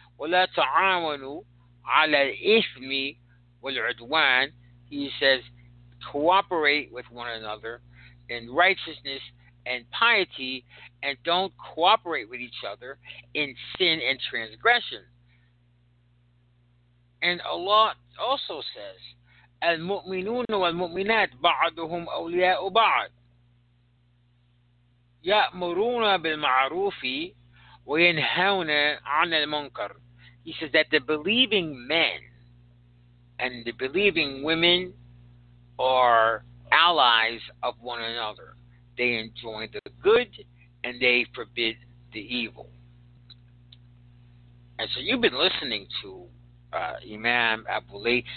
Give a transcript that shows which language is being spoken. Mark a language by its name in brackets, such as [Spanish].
[Arabic] وَلَا تَعَامَنُوا عَلَى الْإِثْمِ وَالْعُدْوَانِ. [English] He says, cooperate with one another in righteousness and piety, and don't cooperate with each other in sin and transgression. And Allah also says, [Arabic] الْمُؤْمِنُونَ وَالْمُؤْمِنَاتِ بَعْضُهُمْ أَوْلِيَاءُ بَعْضٍ يَأْمُرُونَ بِالْمَعْرُوفِ وَيَنْهَوْنَ عَنِ الْمُنْكَرِ. [English] He says that the believing men and the believing women are allies of one another. They enjoin the good and they forbid the evil. And so you've been listening to Imam Abu Lee.